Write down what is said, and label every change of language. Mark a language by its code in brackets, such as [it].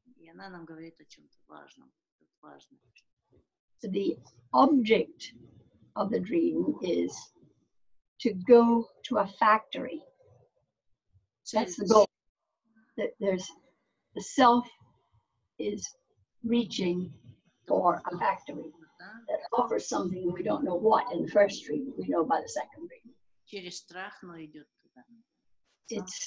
[ru] она нам говорит о чем-то важном. [en] So the object of the dream is to go to a factory. That's the goal. That there's the self is reaching for a factory that offers something we don't know what in the first dream, we know by the second dream. [ru] Через страх, но идет туда.